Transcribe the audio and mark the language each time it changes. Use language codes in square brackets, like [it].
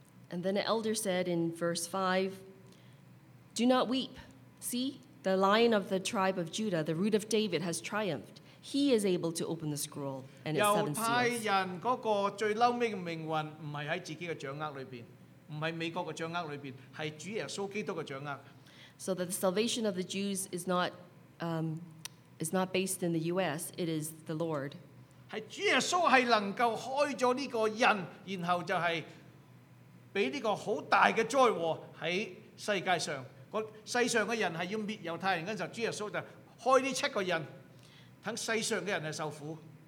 [en] And then an elder said in verse 5, Do not weep. See, the lion of the tribe of Judah, the root of David, has triumphed. He is able to open the scroll and its seven seals. [yue] 猶太人嗰個最嬲尾嘅命運唔係喺自己嘅掌握裏邊，唔係美國嘅掌握裏邊，係主耶穌基督嘅掌握。 [en] So that the salvation of the Jews is not based in the U.S., it is the Lord. [yue] 係主耶穌係能夠開咗呢個印，然後就係。俾呢個好大嘅災禍喺世界上，個世上嘅人係要滅猶太人嗰陣時候，主耶穌就開呢七個印，等世上嘅人係受苦。